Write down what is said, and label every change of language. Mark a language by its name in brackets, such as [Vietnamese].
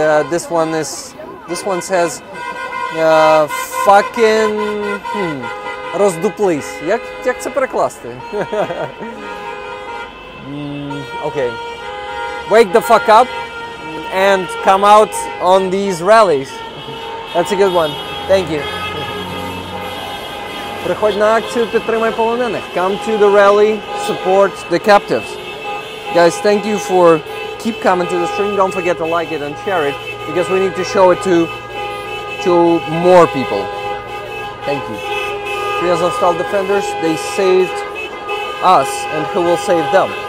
[English] This one says, fucking, [Ukrainian] роздуплись. Як це перекласти? Okay. [English] Wake the fuck up and come out on these rallies. That's a good one. Thank you. [Ukrainian] Приходь на акцію, підтримай полонених. [English] Come to the rally, support the captives. Guys, thank you for keep coming to the stream. Don't forget to like it and share it, because we need to show it to more people. Thank you. Three Azov Stal defenders, they saved us, and who will save them?